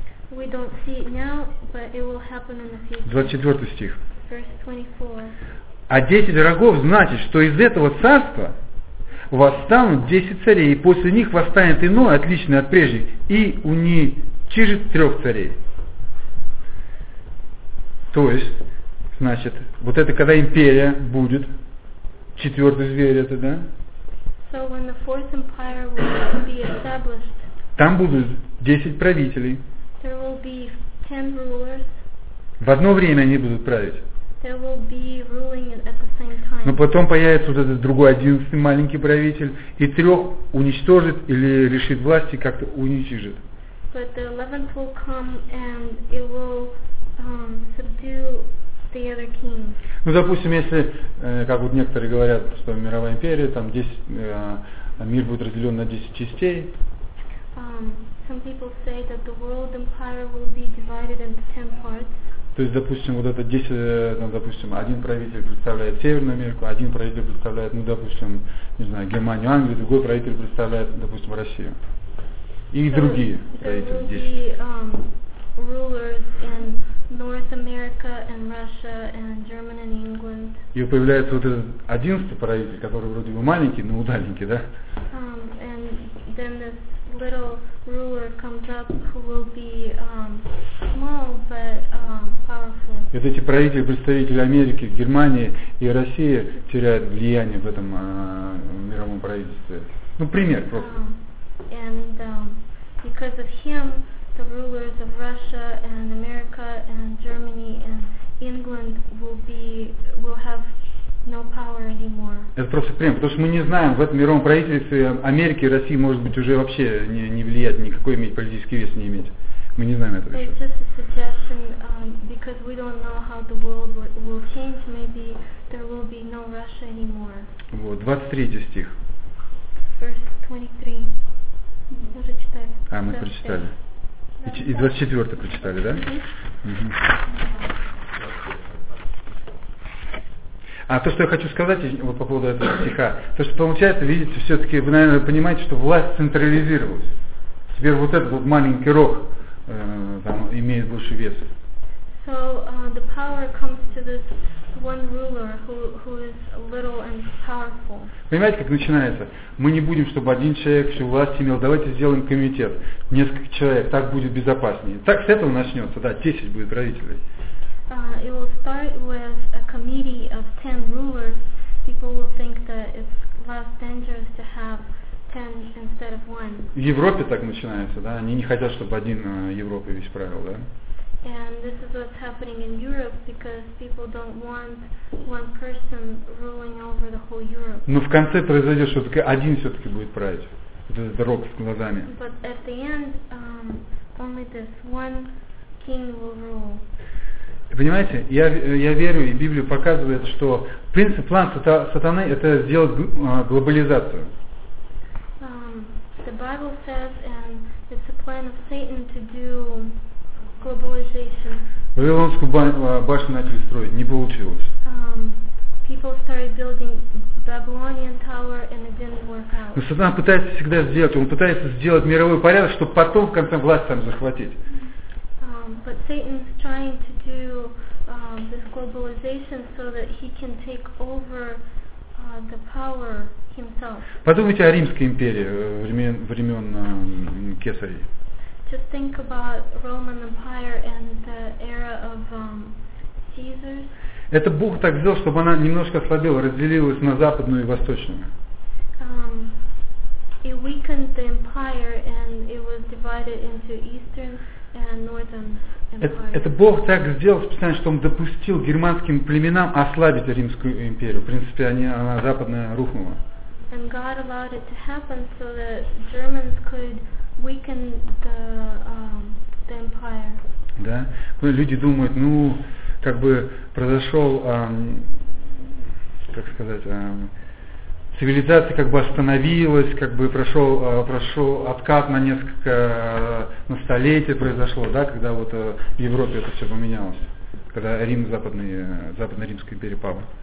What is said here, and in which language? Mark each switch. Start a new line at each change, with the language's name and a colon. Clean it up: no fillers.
English: We don't see it now, but it will happen in the future.
Russian: 24 стих.
English: Verse 24.
Russian: А 10 рогов значит, что из этого царства восстанут 10 царей, и после них восстанет иной, отличный от прежних, и уничижит 3 царей. То есть, значит, вот это когда империя будет, четвертый зверь это, да?
English: So when the fourth empire will be established,
Russian: там будут 10 правителей.
English: There will be 10 rulers.
Russian: В одно время они будут править.
English: There will be ruling at the same time.
Russian: Но потом появится вот этот другой 11-й маленький правитель и 3 уничтожит или лишит власти, как-то уничижит.
English: But the 11th will come and it will subdue the other kings.
Russian: Ну, допустим, если, как вот некоторые говорят, что мировая империя, там 10, мир будет разделен на 10 частей.
English: Some people say that the world empire will be divided into 10 parts.
Russian: То есть, допустим, вот это 10, ну, допустим, один правитель представляет Северную Америку, один правитель представляет, ну, допустим, не знаю, Германию, Англию, другой правитель представляет, допустим, Россию. И
English: so
Russian: другие правители 10.
English: Rulers in North America and Russia and Germany and England.
Russian: И появляется вот этот 11-й правитель, который вроде бы маленький, но удаленький, да?
English: And then this little ruler comes up who will be small but powerful.
Russian: Вот эти правители, представители Америки, Германии и России теряют влияние в этом мировом правительстве. Ну, пример просто.
English: And because of him, the rulers of Russia and America and Germany and England will have no power anymore.
Russian: Это просто пример, потому что мы не знаем, в этом мировом правительстве Америки и России может быть уже вообще не влиять, никакой иметь политический вес не иметь. Мы не знаем этого еще.
English: It's just a suggestion, because we don't know how the world will change, maybe there will be no Russia anymore.
Russian: Вот, 23 стих.
English: Verse 23.
Russian: Мы уже читали. А, мы прочитали. И 24 прочитали, да? А то, что я хочу сказать вот по поводу этого стиха, то, что получается, видите, все-таки вы, наверное, понимаете, что власть централизировалась. Теперь вот этот вот маленький рог там имеет больше вес.
English: So, the power comes to this one ruler who is little and powerful.
Russian: Понимаете, как начинается? Мы не будем, чтобы один человек всю власть имел. Давайте сделаем комитет. Несколько человек. Так будет безопаснее. Так с этого начнется, да, 10 будет правителей.
English: It will start with a committee of 10 rulers. People will think that it's less dangerous to have 10 instead of 1.
Russian: В Европе так начинается, да? Они не хотят, чтобы один Европе весь правил, да?
English: And this is what's happening in Europe because people don't want one person ruling over the whole Europe.
Russian: Но в конце произойдет, что только один все-таки будет править. Вот этот рог с глазами.
English: But at the end, only this one king will rule.
Russian: Понимаете, я верю, и Библия показывает, что принцип, план сатаны – это сделать глобализацию.
English: The Bible says, and it's a plan of Satan to do globalization.
Russian: Вавилонскую башню начали строить, не получилось.
English: People started building Babylonian tower, and it didn't work out.
Russian: Но сатана пытается всегда сделать, он пытается сделать мировой порядок, чтобы потом в конце власть там захватить.
English: But Satan's trying to do this globalization so that he can take over the power himself.
Russian: Подумайте о Римской империи времен Кесарей.
English: Just think about Roman Empire and the era of Caesar's.
Russian: Это Бог так сделал, чтобы она немножко ослабела, разделилась на западную и восточную.
English: It weakened the empire and it was divided into eastern and northern empires.
Russian: Это Бог так сделал специально, что он допустил германским племенам ослабить Римскую империю. В принципе, она западная рухнула.
English: And God allowed it to happen so that Germans could weaken the empire.
Russian: Да. Люди думают, ну, как бы произошел, как сказать, цивилизация как бы остановилась, как бы прошел откат на несколько на столетие произошло, да, когда вот в Европе это все поменялось, когда Рим западно-римская империя пала.